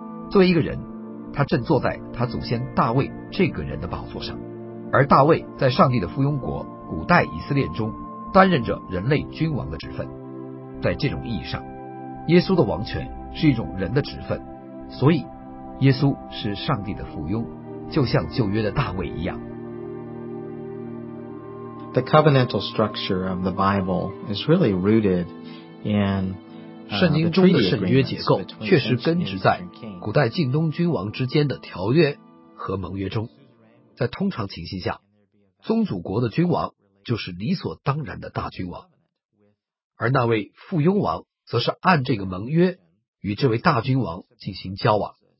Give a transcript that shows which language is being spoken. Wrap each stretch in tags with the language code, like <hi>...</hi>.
<zh>作为一个人，他正坐在他祖先大卫这个人的宝座上，而大卫在上帝的附庸国古代以色列中担任着人类君王的职分。在这种意义上，耶稣的王权是一种人的职分，所以耶稣是上帝的附庸，就像旧约的大卫一样。</zh> <en>The covenantal structure of the Bible is really rooted in</en> <zh>圣经中的圣约结构确实根植在古代近东君王之间的条约和盟约中。在通常情形下，宗主国的君王就是理所当然的大君王，而那位附庸王则是按这个盟约与这位大君王进行交往。</zh>